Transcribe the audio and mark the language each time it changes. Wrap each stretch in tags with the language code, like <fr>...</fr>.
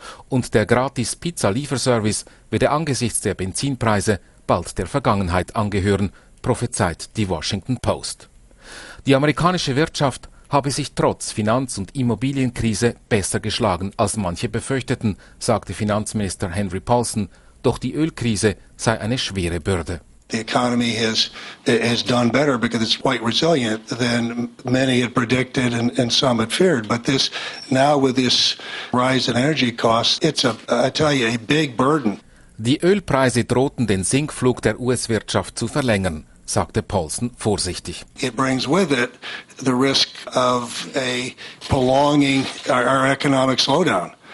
<de>Und der Gratis-Pizza-Lieferservice würde angesichts der Benzinpreise bald der Vergangenheit angehören, prophezeit die Washington Post. Die amerikanische Wirtschaft habe sich trotz Finanz- und Immobilienkrise besser geschlagen, als manche befürchteten, sagte Finanzminister Henry Paulson, doch die Ölkrise sei eine schwere Bürde.</de> <en>The economy has done better because it's quite resilient than many had predicted and some had feared. But this now with this rise in energy costs, it's a big burden.</en> <de>Die Ölpreise drohten den Sinkflug der US-Wirtschaft zu verlängern, sagte Paulsen vorsichtig.</de> <en>It brings with it the risk of a prolonging our economic slowdown.</en>